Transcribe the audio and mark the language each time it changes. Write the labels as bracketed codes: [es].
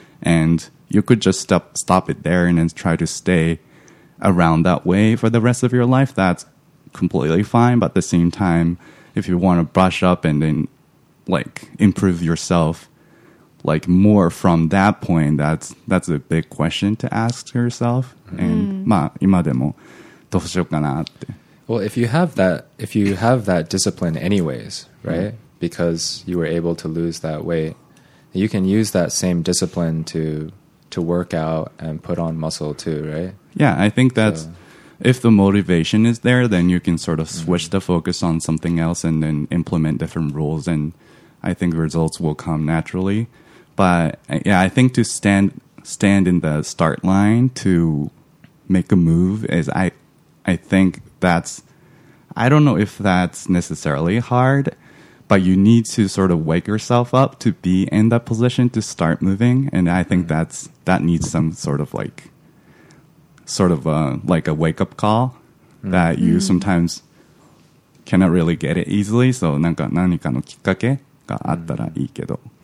[en] And you could just stop it there and then try to stay around that way for the rest of your life. That's completely fine. But at the same time, if you want to brush up and then like improve yourselfLike, more from that point, that's a big question to ask yourself. [ja] And, まあ、今でも、どうしようかなって。 [en] Well, if you have that discipline anyways, right? Mm. Because you were able to lose that weight, you can use that same discipline to work out and put on muscle too, right? Yeah, I think that's, if the motivation is there, then you can sort of switch the focus on something else and then implement different rules. And I think results will come naturally. But yeah, I think to stand in the start line to make a move is I think that's, I don't know if that's necessarily hard, but you need to sort of wake yourself up to be in that position to start moving. And I think that needs some sort of a wake up call that you sometimes cannot really get it easily. [ja] So 何かのきっかけがあったらいいけど。